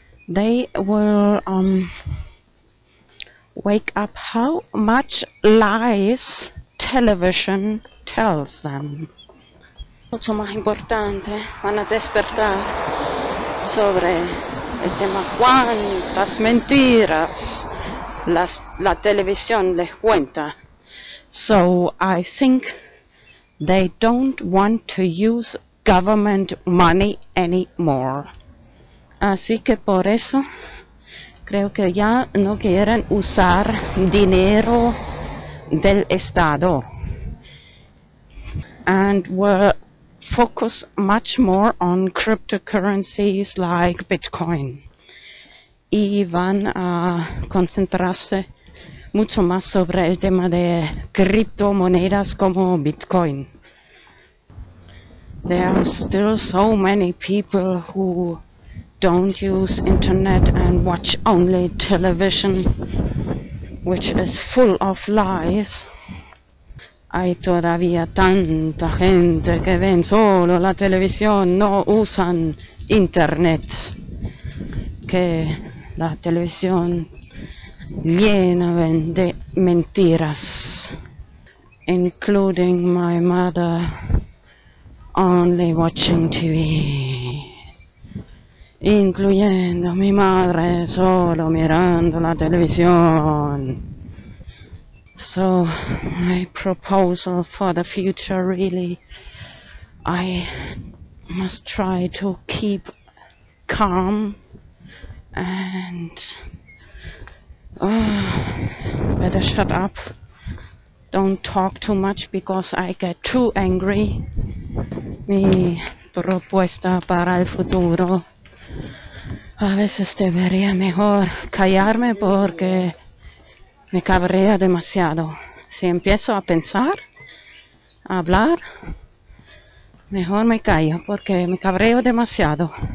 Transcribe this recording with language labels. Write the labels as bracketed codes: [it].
[en] they will wake up how much lies television tells them. [es] Mucho más importante, van a despertar sobre el tema cuántas mentiras la televisión les cuenta. [en] So I think they don't want to use government money anymore. [es] Así que por eso creo que ya no quieren usar dinero del Estado. [en] And we'll focus much more on cryptocurrencies like Bitcoin. [es] Y van a concentrarse mucho más sobre el tema de criptomonedas como Bitcoin. [en] There are still so many people who don't use internet and watch only television, which is full of lies. [es] Hay todavía tanta gente que ven solo la televisión, no usan internet, que la televisión llena de mentiras, [en] including my mother only watching TV, [es] incluyendo mi madre solo mirando la televisión. [en] So my proposal for the future, really, I must try to keep calm and better shut up, don't talk too much because I get too angry. [es] Mi propuesta para el futuro, a veces debería mejor callarme porque me cabrea demasiado. Si empiezo a pensar, a hablar, mejor me callo porque me cabreo demasiado.